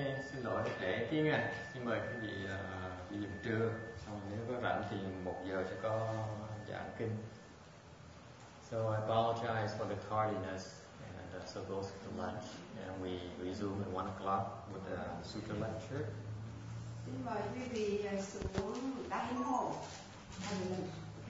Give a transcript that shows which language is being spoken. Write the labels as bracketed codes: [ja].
[vi] xin lỗi trễ tiếng Anh, xin mời quý vị đi dùng trưa, xong nếu có rảnh thì một giờ sẽ có giảng kinh. [en] So I apologize for the tardiness, and so goes to lunch, and we resume at 1 o'clock with the sutra lecture. [vi] Xin mời quý vị xuống đại hội.